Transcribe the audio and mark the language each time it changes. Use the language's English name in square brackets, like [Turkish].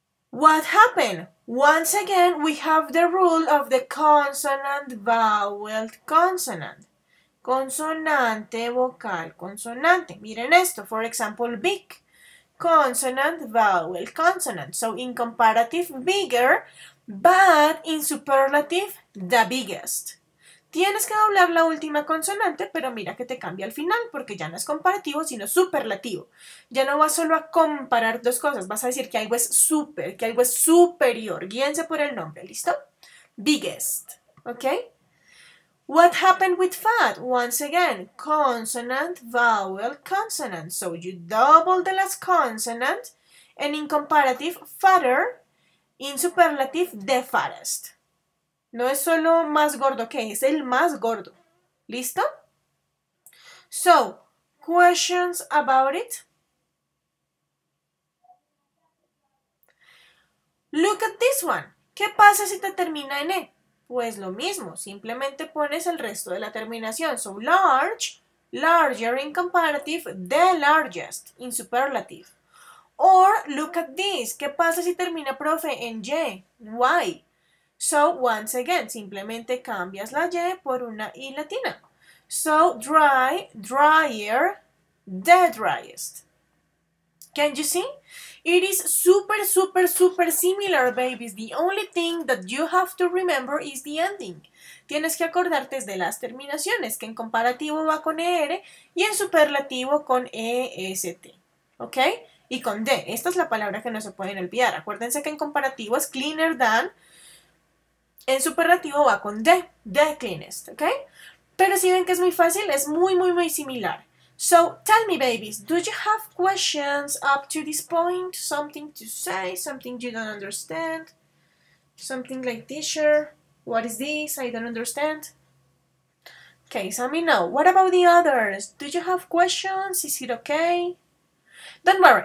[English] What happened? Once again, we have the rule of the consonant, vowel, consonant. [Spanish] Consonante, vocal, consonante. Miren esto. [English] For example, big. Consonant, vowel, consonant. So in comparative, bigger, but in superlative, the biggest. [Spanish] Tienes que doblar la última consonante, pero mira que te cambia al final, porque ya no es comparativo, sino superlativo. Ya no vas solo a comparar dos cosas, vas a decir que algo es super, que algo es superior. Guíense por el nombre, ¿listo? Biggest, ¿ok? [English] What happened with fat? Once again, consonant, vowel, consonant. So you double the last consonant, and in comparative, fatter, in superlative, the fattest. [Spanish] No es solo más gordo, ¿qué? Es el más gordo. ¿Listo? [English] So, questions about it? Look at this one. [Spanish] ¿Qué pasa si te termina en E? Pues lo mismo, simplemente pones el resto de la terminación. [English] So, large, larger in comparative, the largest in superlative. Or, look at this. [Spanish] ¿Qué pasa si termina, profe, en Y? Why? [English] So, once again, [Spanish] simplemente cambias la Y por una I latina. [English] So, dry, drier, the driest. Can you see? It is super, super, super similar, babies. The only thing that you have to remember is the ending. [Spanish] Tienes que acordarte de las terminaciones, que en comparativo va con ER y en superlativo con EST. ¿Ok? Y con D. Esta es la palabra que no se pueden olvidar. Acuérdense que en comparativo es cleaner than. En superlativo va con D, the cleanest, ¿ok? Pero si ven que es muy fácil, es muy, muy, muy similar. [English] So, tell me, babies, do you have questions up to this point? Something to say, something you don't understand? Something like teacher, what is this? I don't understand. Okay, so let me know. What about the others? Do you have questions? Is it okay? Don't worry.